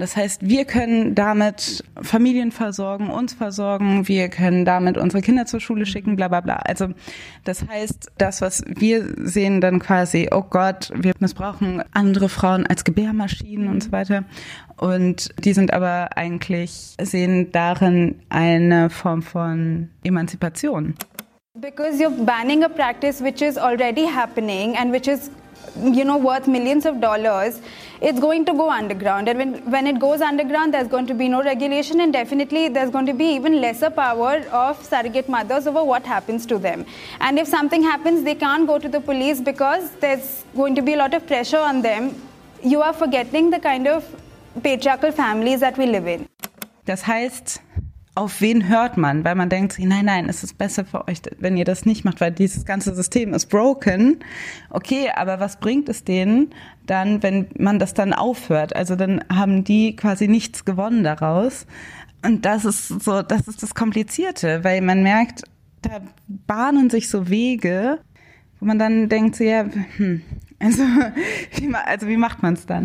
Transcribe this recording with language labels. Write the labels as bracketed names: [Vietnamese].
[German] Das heißt, wir können damit Familien versorgen, uns versorgen, wir können damit unsere Kinder zur Schule schicken, bla bla bla. Also das heißt, das, was wir sehen dann quasi, oh Gott, wir missbrauchen andere Frauen als Gebärmaschinen und so weiter. Und die sind aber eigentlich, sehen darin eine Form von Emanzipation. [English] Because you're banning a practice which is already happening and which is, you know, worth millions of dollars, it's going to go underground. And when it goes underground, there's going to be no regulation, and definitely there's going to be even lesser power of surrogate mothers over what happens to them. And if something happens, they can't go to the police because there's going to be a lot of pressure on them. You are forgetting the kind of patriarchal families that we live in. [German] Das heißt, auf wen hört man? Weil man denkt, nein, nein, es ist besser für euch, wenn ihr das nicht macht, weil dieses ganze System ist broken. Okay, aber was bringt es denen dann, wenn man das dann aufhört? Also dann haben die quasi nichts gewonnen daraus. Und das ist so, das ist das Komplizierte, weil man merkt, da bahnen sich so Wege, wo man dann denkt, so, ja, Also wie macht man es dann?